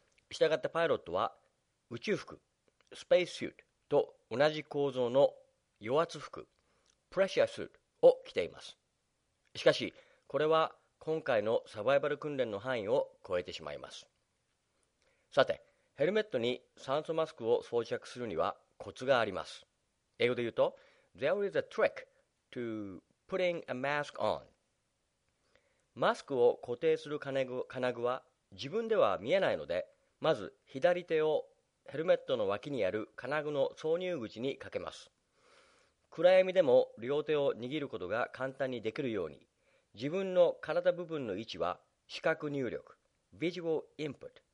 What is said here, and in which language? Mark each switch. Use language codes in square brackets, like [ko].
[ja] したがってパイロットは宇宙服、スペーススーツと同じ構造の油圧服、プレッシャースーツを着ています。しかしこれは今回のサバイバル訓練の範囲を超えてしまいます。さて、ヘルメットに酸素マスクを装着するにはコツがあります。英語で言うと、 [en] There is a trick to putting a mask on. [ja] マスクを固定する金具は自分では見えないので、まず左手をヘルメットの脇にある金具の挿入口にかけます。暗闇でも両手を握ることが簡単にできるように、自分の体部分の位置は視覚入力、Visual Input。